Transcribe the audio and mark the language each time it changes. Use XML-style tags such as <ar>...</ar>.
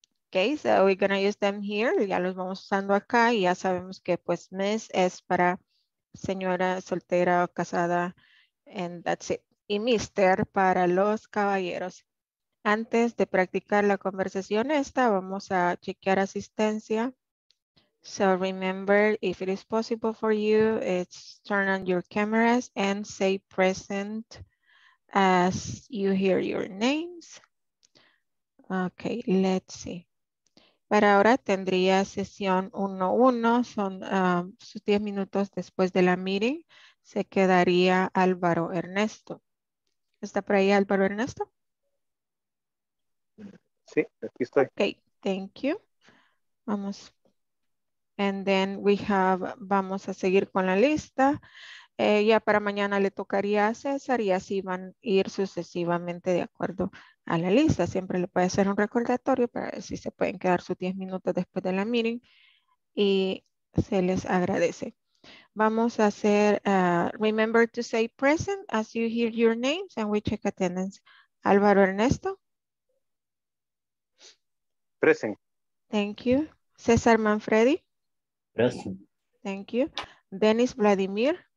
<en>Okay, so we're gonna use them here.</en> <es>Ya los vamos usando acá y ya sabemos que pues Miss es para señora soltera o casada</es> <en>and that's it.</en> <es>Y Mr. para los caballeros. Antes de practicar la conversación esta, vamos a chequear asistencia.</es> <en>So remember, if it is possible for you, it's turn on your cameras and say present as you hear your names. Okay, let's see.</en> <es>Para ahora tendría sesión 1-1, son sus 10 minutos después de la meeting, se quedaría Álvaro Ernesto. ¿Está por ahí Álvaro Ernesto? Sí, aquí estoy.</es> <en>Okay, thank you.</en> <es>Vamos.</es> <en>And then we have,</en> <es>vamos a seguir con la lista. Ya para mañana le tocaría a César y así van a ir sucesivamente de acuerdo a la lista. Siempre le puede hacer un recordatorio para ver si se pueden quedar sus 10 minutos después de la meeting. Y se les agradece. Vamos a hacer,</es> <en>remember to say present as you hear your names and we check attendance. Álvaro Ernesto. Present. Thank you. César Manfredi. Present. Thank you. Dennis Vladimir.</en>